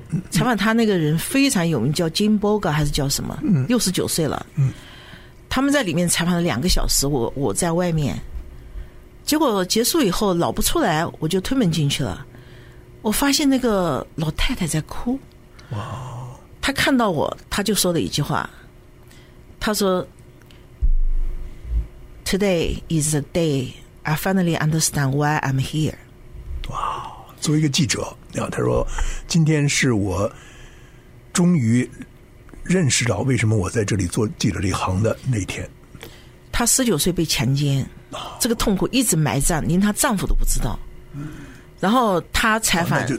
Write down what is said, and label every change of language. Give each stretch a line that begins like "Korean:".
Chinese: 采访他那个人非常有名，叫金波格还是叫什么？69岁了。他们在里面采访了2个小时，我在外面。结果结束以后老不出来，我就推门进去了。我发现那个老太太在哭。她看到我，她就说了一句话。她说
English: ：“Today is the day I finally understand why I'm here。”
Chinese: 作为一个记者，他说今天是我终于认识到为什么我在这里做记者这行的那天。他19岁被强奸、这个痛苦一直埋葬，连他丈夫都不知道。然后他采访、